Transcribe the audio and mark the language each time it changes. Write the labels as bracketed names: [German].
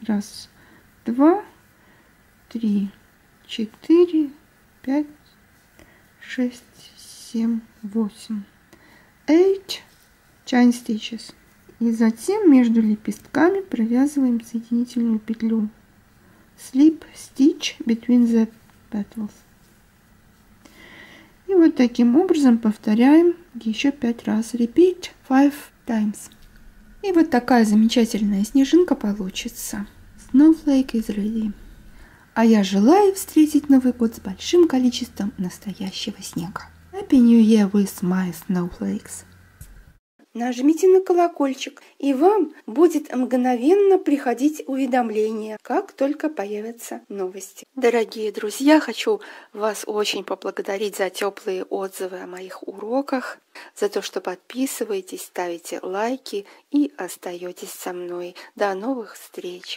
[English] 1, 2, 3, 4, 5, 6, 7, 8, 8 chain stitches. [Russian] И затем между лепестками провязываем соединительную петлю. [English] Slip stitch between the petals. [Russian] И вот таким образом повторяем еще 5 раз. [English] Repeat 5 times. [Russian] И вот такая замечательная снежинка получится. [English] Snowflake is ready. [Russian] А я желаю встретить Новый год с большим количеством настоящего снега. [English] Happy New Year with my snowflakes. [Russian] Нажмите на колокольчик, и вам будет мгновенно приходить уведомление, как только появятся новости. Дорогие друзья, хочу вас очень поблагодарить за теплые отзывы о моих уроках, за то, что подписываетесь, ставите лайки и остаетесь со мной. До новых встреч!